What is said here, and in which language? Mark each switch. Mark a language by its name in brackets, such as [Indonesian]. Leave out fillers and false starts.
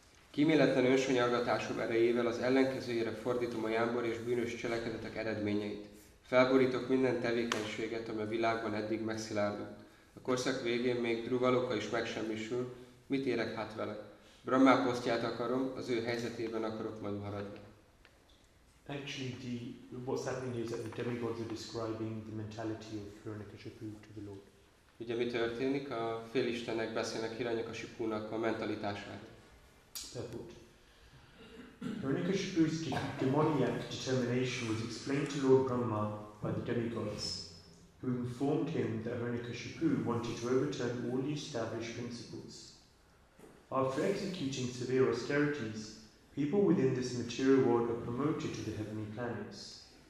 [Hungarian] Kíméletlen ősony aggatásom erejével az ellenkezőjére fordítom a jámbor és bűnös cselekedetek eredményeit. Felborítok minden tevékenységet, ami a világban eddig megszilárdult. A korszak végén még Dhruvaloka is megsemmisül. Mit érek hát vele? Brahma posztját akarom, az ő helyzetében akarok majd maradni. [English] Actually, what's happening is that the demigods are describing the mentality of Hiranyakashipu to the Lord. [Hungarian] Ugye mi történik? A félistenek beszélnek Hiranyakashipunak a mentalitásáról. [English] Hiranyakashipu's demoniac determination was explained to Lord Brahma by the demigods, who informed him that Hiranyakashipu wanted to overturn all the established principles. After executing severe austerities, people within this material world are promoted to the heavenly planets.